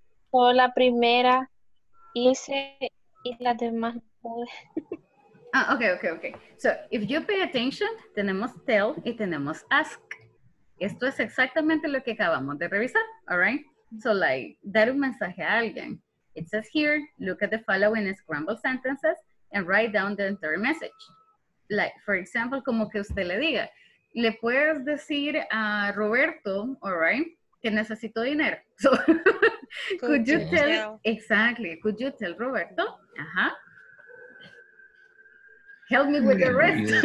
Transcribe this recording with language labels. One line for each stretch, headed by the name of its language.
Spanish: Solo la primera hice y las demás no pude.
English: Ah, okay, okay, okay. So, if you pay attention,
Spanish: tenemos tell y tenemos ask. Esto es exactamente lo que acabamos de revisar,
English: all right?
Spanish: So, like, dar un mensaje a alguien.
English: It says here, look at the following scrambled sentences and write down the entire message. Like, for example,
Spanish: como que usted le diga, le puedes decir a Roberto,
English: all right,
Spanish: que necesito dinero.
English: So, could you tell, exactly, could you tell Roberto, help me with the rest.